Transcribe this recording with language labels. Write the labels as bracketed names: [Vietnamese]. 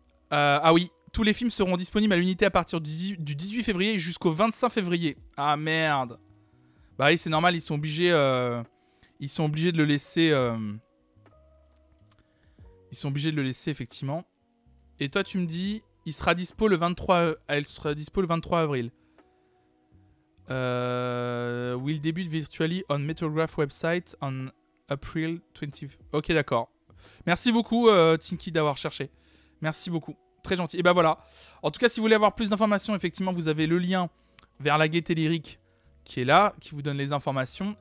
[French] Ah oui, tous les films seront disponibles à l'unité à partir du 18 février jusqu'au 25 février. Ah merde. Bah oui, c'est normal, ils sont obligés de le laisser. Ils sont obligés de le laisser, effectivement. Et toi, tu me dis, il sera dispo le 23. Elle sera dispo le 23 avril. [English] Will debut virtually on Metrograph website on April 20. [French] Ok, d'accord. Merci beaucoup, Tinky, d'avoir cherché. Merci beaucoup. Très gentil. Et bah voilà. En tout cas, si vous voulez avoir plus d'informations, effectivement, vous avez le lien vers la Gaieté Lyrique qui est là, qui vous donne les informations.